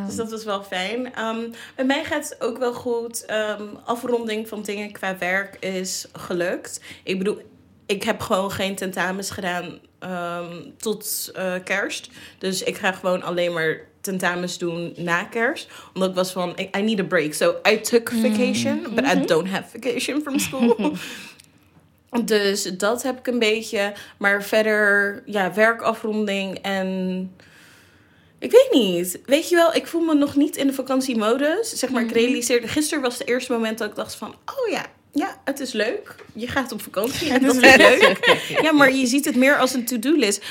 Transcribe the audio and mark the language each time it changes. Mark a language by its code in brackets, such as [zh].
[nl] Dus dat was wel fijn. Bij mij gaat het ook wel goed. Afronding van dingen qua werk is gelukt. Ik bedoel, ik heb gewoon geen tentamens gedaan tot kerst. Dus ik ga gewoon alleen maar tentamens doen na kerst. Omdat ik was van, [en] I need a break. So I took vacation, mm-hmm, but I don't have vacation from school. [nl] Dus dat heb ik een beetje. Maar verder, ja, werkafronding en... Ik weet niet. Weet je wel, ik voel me nog niet in de vakantiemodus. Zeg maar, mm-hmm, ik realiseerde... Gisteren was het eerste moment dat ik dacht van... Oh ja, ja, het is leuk. Je gaat op vakantie en dat is leuk. Ja, maar je ziet het meer als een to-do list.